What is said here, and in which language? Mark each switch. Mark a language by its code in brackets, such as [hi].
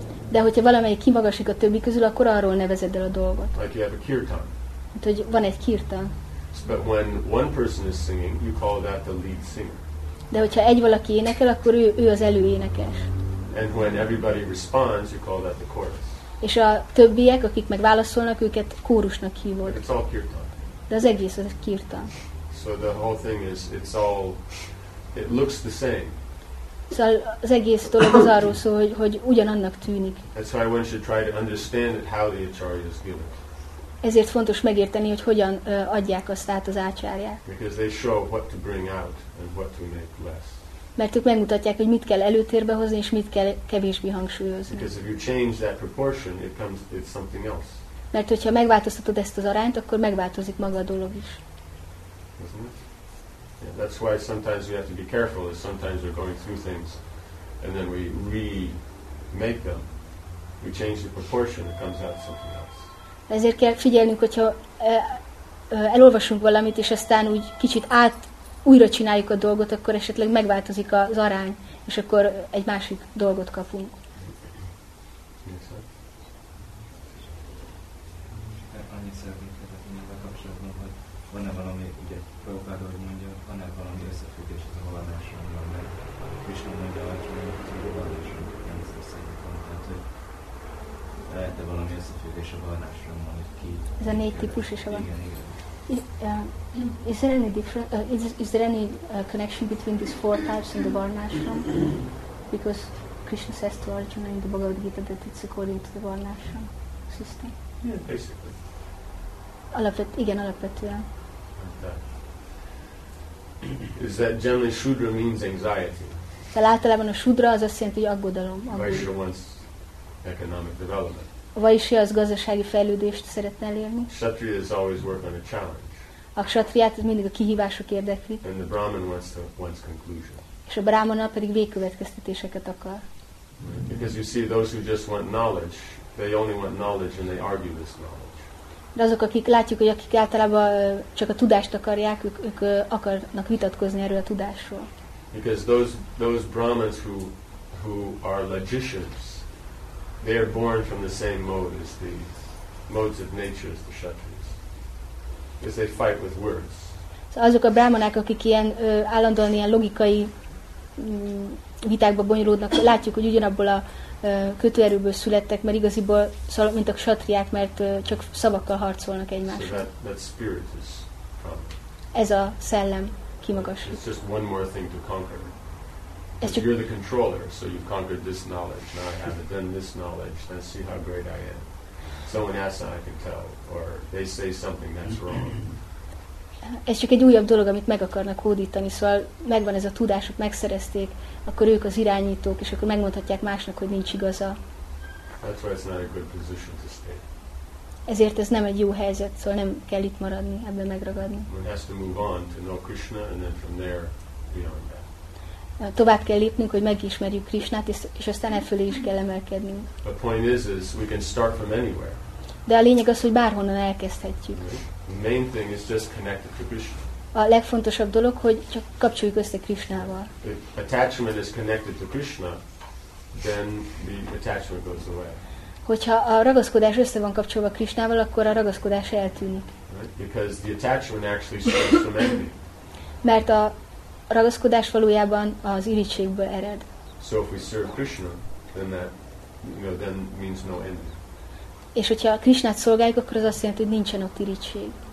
[hu] De hogyha valamelyik kimagasik a többi közül, akkor arról nevezed el a dolgot. [en] Like you have a kirtan. [hu] Hát, hogy van egy kirtan. [en] But when one person is singing, you call that the lead singer. [hu] De hogyha egy valaki énekel, akkor ő az előénekes. [en] And when everybody responds, you call that the chorus. [hu] És a többiek, akik megválaszolnak, őket kórusnak hívod. [en] It's all kirtan. [hu] De az egész az kirtan. [en] So the whole thing is, it's all, it looks the same. [hu] Szóval az egész dolog az arról szól, hogy ugyanannak tűnik. [en] That's why one should try to understand how the acharyas give it. [hu] Ezért fontos megérteni, hogy hogyan adják azt át az ácsárját. [en] Because they show what to bring out and what to make less. [hu] Mert ők megmutatják, hogy mit kell előtérbe hozni, és mit kell kevésbé hangsúlyozni. [en] Because if you change that proportion, it comes, it's something else. [hu] Mert hogyha megváltoztatod ezt az arányt, akkor megváltozik maga a dolog is. [en] Yeah, that's why sometimes we have to be careful, is sometimes we're going through things and then we remake them. We change the proportion, it comes out something else. [hu] Ezért kell figyelnünk, hogyha elolvasunk valamit, és aztán úgy kicsit újra csináljuk a dolgot, akkor esetleg megváltozik az arány, és akkor egy másik dolgot kapunk. Annyit szeretnék kérdezni ezzel kapcsolatban, hogy van-e valami, ugye Prabhupád úgy mondja, van-e valami összefüggés az a haladásunkban, mert Krisna mondja, hogy a haladásunk nem is összefüggés van, tehát hogy lehet-e valami összefüggés a haladásunkban, hogy ki... Ez a négy típus is van. Igen, igen. [en] Is there any is there any connection between these four types and the Varna Ashram? Because Krishna says to Arjuna in the Bhagavad Gita that it's according to the Varna Ashram system. Yeah, basically. [hu] Alapvetően. [en] Is that generally Shudra means anxiety? [hu] De általában a Shudra az azt jelenti, hogy aggodalom. [en] Vaishya wants economic development. [hu] Vaishya az gazdasági fejlődést szeretne elérni. [en] Kshatriya is always working on a challenge. [hu] A kshatriát mindig a kihívások érdekli. [en] And the Brahman wants conclusion. [hu] És a brahmana pedig végkövetkeztetéseket akar. [en] Because you see, those who just want knowledge, they only want knowledge and they argue this knowledge. [hu] De azok, akik látjuk, hogy akik általában csak a tudást akarják, ők akarnak vitatkozni erről a tudásról. [en] Because those Brahmins who are logicians, they are born from the same mode as the modes of nature as the kshatriya. Because they fight with words. [hu] So azok a brahmanák, akik ilyen állandóan ilyen logikai vitákba bonyolódnak, látjuk, hogy ugyanabból a kötőerőből születtek, mert igaziból, mint a kshatriák, mert csak szavakkal harcolnak egymással. [en] So that spirit is from. [hu] Ez a szellem kimagasít. [en] It's just one more thing to conquer. [hu] Ez csak... [en] You're the controller, so you've conquered this knowledge. Now I have it, then this knowledge. Then see how great I am. Someone asks, I can tell, or they say something that's wrong. [hu] Ez csak egy újabb dolog, amit meg akarnak hódítani, szóval megvan ez a tudásuk, megszerezték, akkor ők az irányítók, és akkor megmondhatják másnak, hogy nincs igaza. [en] That's why it's not a good position to stay. [hu] Ezért ez nem egy jó helyzet, szóval nem kell itt maradni, ebben megragadni. [en] One has to move on to know Krishna, and then from there, beyond that. [hu] Tovább kell lépnünk, hogy megismerjük Krisnát, és aztán e fölé is kell emelkednünk. [en] The point is we can start from anywhere. [hu] De a lényeg az, hogy bárhonnan elkezdhetjük. [en] The main thing is just connected to Krishna. [hu] A legfontosabb dolog, hogy csak kapcsoljuk össze Krisnával. [en] If attachment is connected to Krishna, then the attachment goes away. [hu] Hogyha a ragaszkodás össze van kapcsolva Krisnával, akkor a ragaszkodás eltűnik. [en] Right? Because the attachment actually starts from enemy. [hu] Mert a ragaszkodás valójában az irigységből ered. [en] So if we serve Krishna, then that, you know, then means no envy. [hu] És hogyha a Krisnát szolgáljuk, akkor az azt jelenti, hogy nincsen ott irigység.